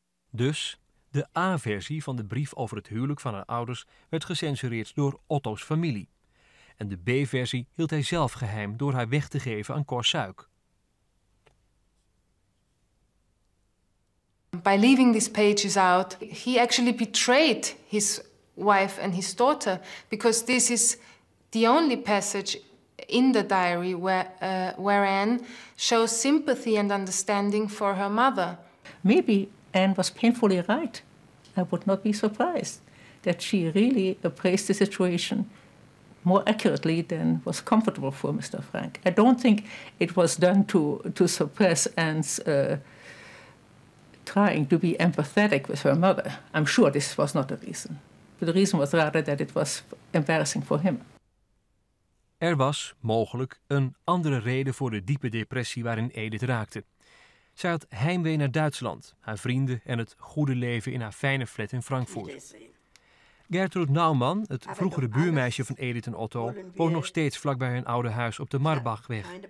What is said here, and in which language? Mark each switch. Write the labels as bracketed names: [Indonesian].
[Dutch] Dus, de A-versie van de brief over het huwelijk van haar ouders werd gecensureerd door Otto's familie. En de B-versie hield hij zelf geheim door haar weg te geven aan Cor Suyk. [English] By leaving these pages out, he actually betrayed his wife and his daughter, because this is the only passage in the diary where Anne shows sympathy and understanding for her mother. Maybe Anne was painfully right. I would not be surprised that she really appraised the situation more accurately than was comfortable for Mr. Frank. I don't think it was done to suppress Anne's trying to be empathetic with her mother. I'm sure this was not the reason. The reason was rather that it was embarrassing for him. [Dutch] Er was, mogelijk, een andere reden voor de diepe depressie waarin Edith raakte. Zij had heimwee naar Duitsland, haar vrienden en het goede leven in haar fijne flat in Frankfurt. Gertrude Naumann, het vroegere buurmeisje van Edith en Otto, woont nog steeds vlakbij hun oude huis op de Marbachweg.